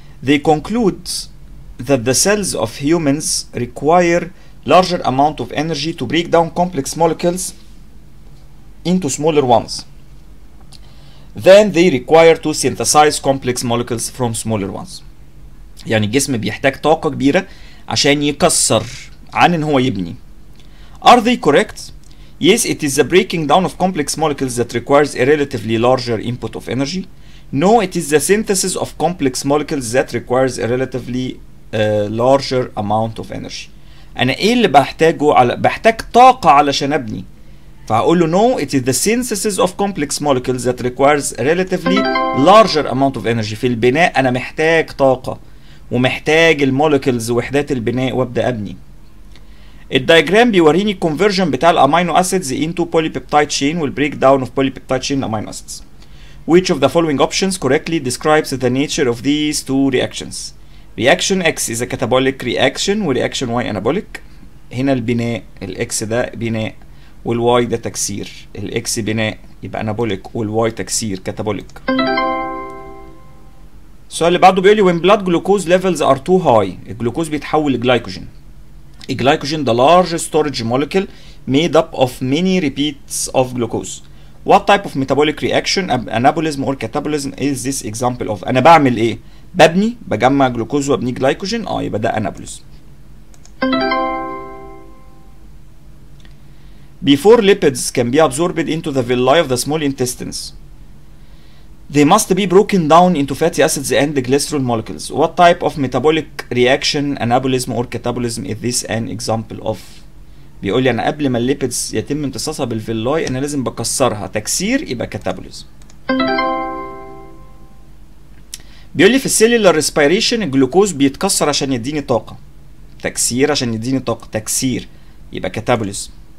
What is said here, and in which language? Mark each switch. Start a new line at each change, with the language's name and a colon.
English: They conclude that the cells of humans require larger amount of energy to break down complex molecules into smaller ones than they require to synthesize complex molecules from smaller ones.
Arabic: يعني الجسم بيحتاج طاقة كبيرة عشان يكسر عن ان هو يبني.
English: Are they correct? Yes, it is the breaking down of complex molecules that requires a relatively larger input of energy. No, it is the synthesis of complex molecules that requires a relatively larger amount of energy.
Arabic: انا ايه اللي بحتاجه؟ على بحتاج طاقة علشان ابني، فهقول له
English: no, it is the synthesis of complex molecules that requires a relatively larger amount of energy.
Arabic: في البناء انا محتاج طاقة ومحتاج المولكيولز وحدات البناء وابدا ابني. الدايجرام بيوريني الكونفرجن بتاع الامينو اسيدز انتو بولي بيبتايد شين والبريك داون اوف بولي بيبتايد شين امينو اسيدز.
English: Which of the following options correctly describes the nature of these two reactions? Reaction X is a catabolic reaction وreaction Y anabolic.
Arabic: هنا البناء ال X ده بناء وال Y ده تكسير. ال X بناء يبقى anabolic وال Y تكسير catabolic. السؤال اللي بعده بيقولي
English: when blood glucose levels are too high
Arabic: الجلوكوز بيتحول لجلايكوجين.
English: الجلايكوجين the largest storage molecule made up of many repeats of glucose. What type of metabolic reaction, anabolism or catabolism is this example of?
Arabic: انا بعمل ايه؟ ببني بجمع جلوكوز وابني جلايكوجين. اه يبقى ده anabolism.
English: Before lipids can be absorbed into the villi of the small intestines, they must be broken down into fatty acids and glycerol molecules. What type of metabolic reaction, anabolism or catabolism is this an example of?
Arabic: بيقول لي انا قبل ما الليبيدز يتم امتصاصها بالفيلاي انا لازم بكسرها تكسير يبقى كاتابوليزم. بيقول لي في السيلولار ريسبيريشن الجلوكوز بيتكسر عشان يديني طاقه تكسير عشان يديني طاقه تكسير يبقى كاتابوليزم.